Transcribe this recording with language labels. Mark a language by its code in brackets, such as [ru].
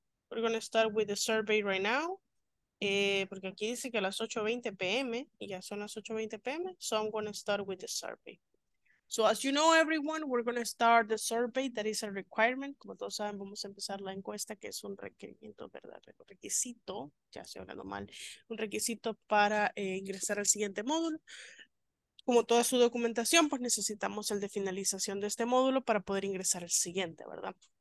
[en] We're going to start with the survey right now. [es] Porque aquí dice que a las 8:20 p.m. y ya son las 8:20 p.m. [en] So I'm going to start with the survey. So as you know, everyone, we're going to start the survey. That is a requirement. [es] Como todos saben, vamos a empezar la encuesta, que es un requerimiento, ¿verdad? Un requisito, ya estoy hablando mal, un requisito para ingresar al siguiente módulo. Como toda su documentación, pues necesitamos el de finalización de este módulo para poder ingresar al siguiente, ¿verdad?